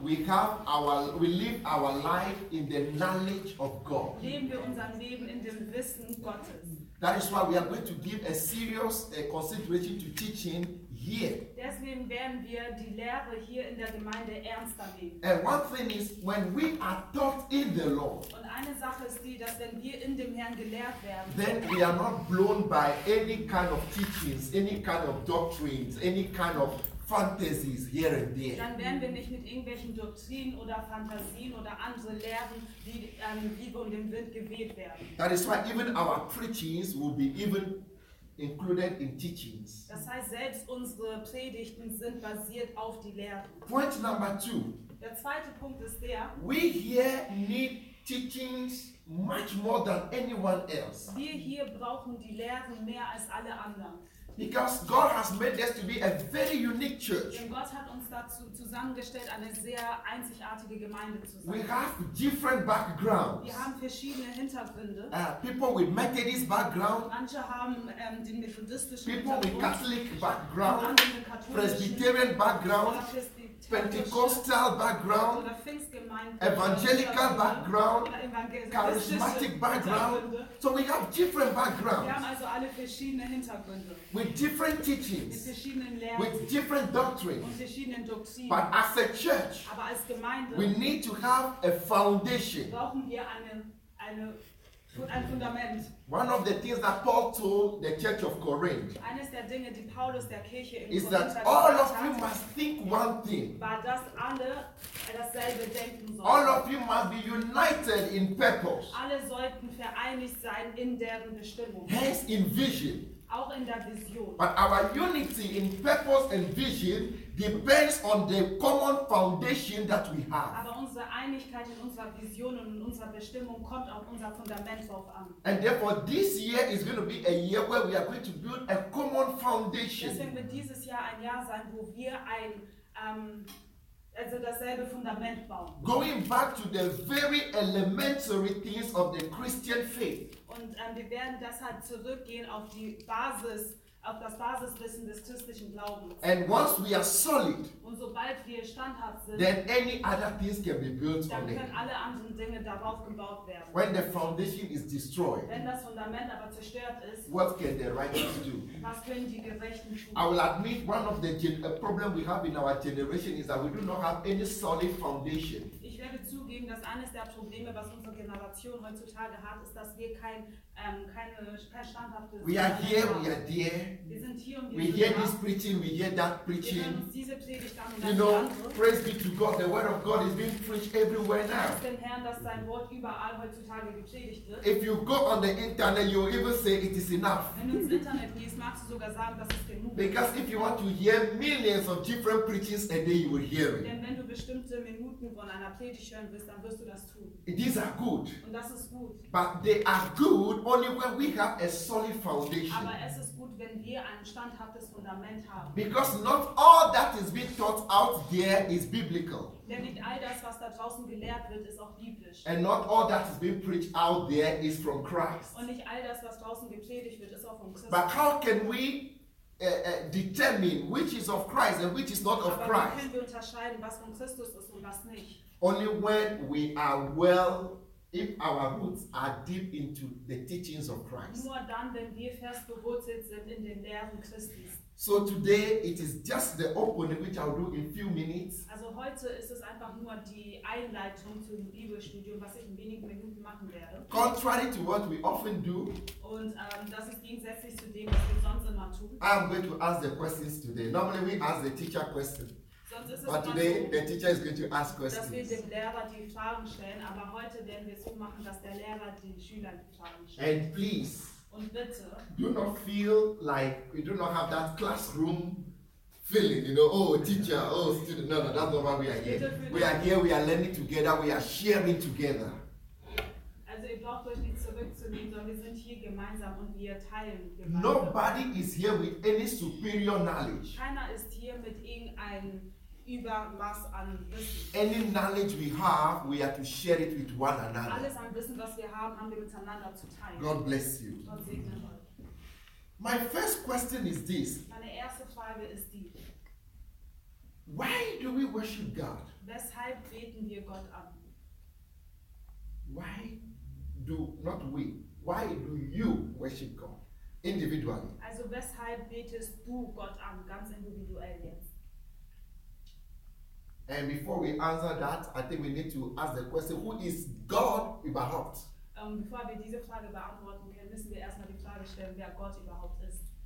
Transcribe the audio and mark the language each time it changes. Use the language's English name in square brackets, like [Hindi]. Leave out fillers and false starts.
[English] we live our life in the knowledge of God. [German] Leben wir unser Leben in dem Wissen Gottes. [English] That is why we are going to give a serious consideration to teaching here. [German] Deswegen werden wir die Lehre hier in der Gemeinde ernster nehmen. [English] And one thing is, when we are taught in the Lord, [German] und eine Sache ist die, dass wenn wir in dem Herrn gelehrt werden, [English] then we are not blown by any kind of teachings, any kind of doctrines, any kind of fantasies here and there. [German] Dann werden wir nicht mit irgendwelchen Doktrinen oder Fantasien oder andere Lehren wie Liebe und dem Wind geweht werden. [English] That is why even our preachings will be even included in teachings. [German] Das heißt, selbst unsere Predigten sind basiert auf die Lehren. [English] Point number two. [German] Der zweite Punkt ist der. [English] We here need teachings much more than anyone else. [German] Wir hier brauchen die Lehren mehr als alle anderen. [English] Because God has made us to be a very unique church. [German] Denn Gott hat uns dazu zusammengestellt, eine sehr einzigartige Gemeinde zu sein. [English] We have different backgrounds. [German] Wir haben verschiedene Hintergründe. [English] People with Methodist background. [German] Manche haben den methodistischen [English] people [German] Hintergrund. [English] People with Catholic background. Presbyterian background. Pentecostal background. Evangelical background. Charismatic background. So we have different backgrounds. [German] Wir haben also alle verschiedene Hintergründe. [English] With different teachings. [German] Mit verschiedenen Lehren. [English] With different doctrines. [German] Und verschiedenen Doktrinen. [English] But as a church, [German] aber als Gemeinde, [English] we need to have a foundation. [German] Brauchen wir ein Fundament. [English] One of the things that Paul told the church of Corinth, [German] eines der Dinge, die Paulus der Kirche in Korinth, [English] is that all of you must think one thing. [German] War, dass alle dasselbe denken sollten. [English] All of you must be united in purpose. [German] Alle sollten vereinigt sein in deren Bestimmung. [English] Hence in vision. [German] Auch in der Vision. [English] But our unity in purpose and vision depends on the common foundation that we have. [German] Aber unsere Einigkeit in unserer Vision und in unserer Bestimmung kommt auf unser Fundament drauf an. [English] And therefore this year is going to be a year where we are going to build a common foundation. [German] Deswegen wird dieses Jahr ein Jahr sein, wo wir ein also dasselbe Fundament bauen. [English] Going back to the very elementary things of the Christian faith. [German] Und wir werden deshalb zurückgehen auf die Basis, auf das Basiswissen des christlichen Glaubens. [English] And once we are solid, [German] und sobald wir standhaft sind, [English] then any other things can be built [German] dann können [English] on [German] alle anderen Dinge darauf gebaut werden. [English] When the foundation is destroyed, [German] wenn das Fundament aber zerstört ist, [English] what can the righteous do? [German] Was können die Gerechten tun? [English] I will admit one of the problems we have in our generation is that we do not have any solid foundation. [German] Ich werde zugeben, dass eines der Probleme, was unsere Generation heutzutage hat, ist, dass wir kein standhaftes. [English] We are here, we are there. [German] Wir sind hier und [English] we hear this preaching, we hear that preaching. [German] Predigt, [English] you know, praise be to God, the word of God is being preached everywhere now. [German] Herrn, dass sein Wort überall heutzutage gepredigt wird. [English] If you go on the internet, you will even say it is enough. [German] Wenn du ins Internet gehst, magst du sogar sagen, dass es genug ist. [English] Because if you want to hear millions of different preachings a day, you will hear it. [German] Denn wenn du bestimmte Minuten von einer Predigt hören willst, dann wirst du das tun. [English] These are good. [German] Und das ist gut. [English] But they are good only when we have a solid foundation. [German] Aber es ist gut, wenn wir ein standhaftes Fundament haben. [English] Because not all that is being taught out there is biblical. [German] Denn nicht all das, was da draußen gelehrt wird, ist auch biblisch. [English] And not all that is being preached out there is from Christ. [German] Und nicht all das, was draußen gepredigt wird, ist auch von Christus. [English] But how can we determine which is of Christ and which is not of Christ? [German] Aber wie können wir unterscheiden, was von Christus ist und was nicht? [English] Only when we are well, if our roots are deep into the teachings of Christ. [German] Nur dann, wenn wir fest bewurzelt sind in den Lehren Christi. [English] So today it is just the opening which I'll do in a few minutes. [German] Also heute ist es einfach nur die Einleitung zum Bibelstudium, was ich in wenigen Minuten machen werde. [English] Contrary to what we often do. [German] Und das ist gegensätzlich zu dem, was wir sonst immer tun. [English] I'm going to ask the questions today. Normally we ask the teacher questions. [German] Sonst [English] but today the teacher is going to ask questions. [German] Dass wir dem Lehrer die Fragen stellen, aber heute werden wir es so machen, dass der Lehrer den Schülern die Fragen stellt. [English] And please. [German] Und bitte. [English] Do not feel like we do not have that classroom feeling, you know, oh teacher, oh student. No, no, that's not why we are here. We are here, we are learning together, we are sharing together. [German] Also ihr braucht euch nicht zurückzunehmen, sondern wir sind hier gemeinsam und wir teilen gemeinsam. [English] Nobody is here with any superior knowledge. [German] Keiner ist hier mit irgendeinem Übermaß an Wissen. [English] Any knowledge we have, we are to share it with one another. [German] Alles an Wissen, was wir haben, haben wir miteinander zu teilen. [English] God bless you. [German] Gott segne euch. [English] My first question is this. [German] Meine erste Frage ist die. [English] Why do we worship God? [German] Weshalb beten wir Gott an? [English] Why do not we? Why do you worship God individually? [German] Also weshalb betest du Gott an, ganz individuell jetzt? [English] And before we answer that, I think we need to ask the question, who is God [German] überhaupt? Bevor wir diese Frage beantworten können, müssen wir erstmal die Frage stellen, wer Gott überhaupt ist.